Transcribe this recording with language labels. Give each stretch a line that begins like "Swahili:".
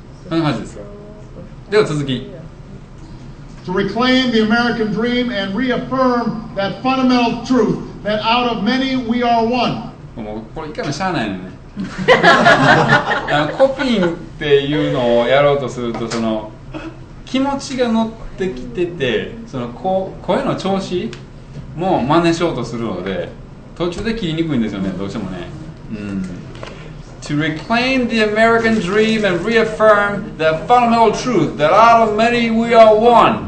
English: To restore prosperity and promote the cause of peace. To reclaim the American dream and reaffirm that fundamental truth that out of many we are one.
Japanese: もうこれ一回もしゃあないね。コピンっていうのをやろうとするとその気持ちが乗ってきててその声の調子も真似しようとするので途中で切りにくいんですよねどうしてもね。うん。
English: To reclaim the American dream and reaffirm the fundamental truth that out of many we are one.